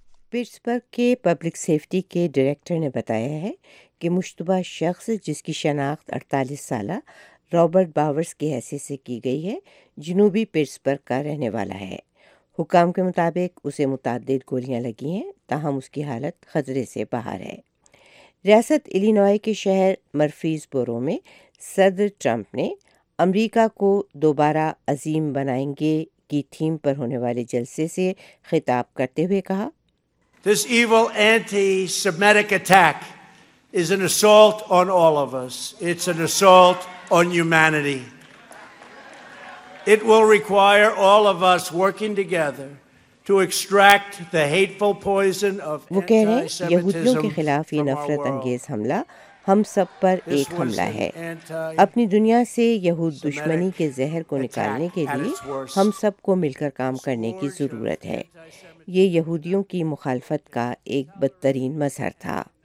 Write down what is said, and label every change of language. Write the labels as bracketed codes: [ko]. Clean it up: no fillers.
[ur] Pittsburgh کے public safety کے director نے بتایا ہے کہ مشتبہ شخص، جس کی شناخت 48 سالہ رابرٹ باورز کی حیثیت سے کی گئی ہے، جنوبی پٹسبرگ کا رہنے والا ہے۔ حکام کے مطابق اسے متعدد گولیاں لگی ہیں، تاہم اس کی حالت خطرے سے باہر ہے۔ ریاست الینوائے کے شہر مرفیز بورو میں صدر ٹرمپ نے امریکہ کو دوبارہ عظیم بنائیں گے کی تھیم پر ہونے والے جلسے سے خطاب کرتے ہوئے کہا، [en] This evil anti-Semitic attack is an assault on all of us. It's an assault on humanity. It will require all of us working together to extract the hateful poison of [ur] وہ کہہ رہے ہیں یہودیوں کے خلاف یہ نفرت انگیز حملہ ہم سب پر ایک حملہ ہے۔ اپنی دنیا سے یہود دشمنی کے زہر کو نکالنے کے لیے ہم سب کو مل کر کام کرنے کی ضرورت ہے۔ یہ یہودیوں کی مخالفت کا ایک بدترین مظہر تھا۔